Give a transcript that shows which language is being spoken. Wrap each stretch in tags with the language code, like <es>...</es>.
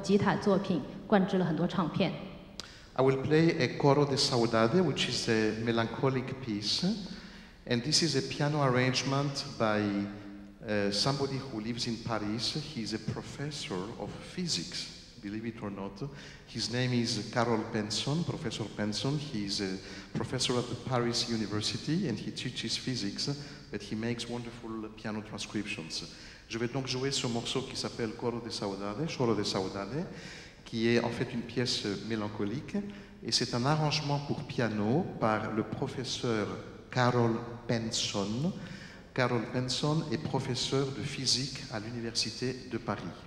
<zh>作为最伟大的吉他作曲家之一呢，他自己在演奏了非常多的吉他作品，灌制了很多唱片。</zh> <en>I will play a Coro de Saudade, which is a melancholic piece, and this is a piano arrangement by. Somebody who lives in Paris, he's a professor of physics, believe it or not. His name is Carol Benson, Professor Benson. He's a professor at the Paris University and he teaches physics, but he makes wonderful piano transcriptions.</en> <fr>Je vais donc jouer ce morceau qui s'appelle Coro de Saudade, qui est en fait une pièce mélancolique. Et c'est un arrangement pour piano par le professeur Carol Benson. Carol Benson est professeur de physique à l'Université de Paris.</fr>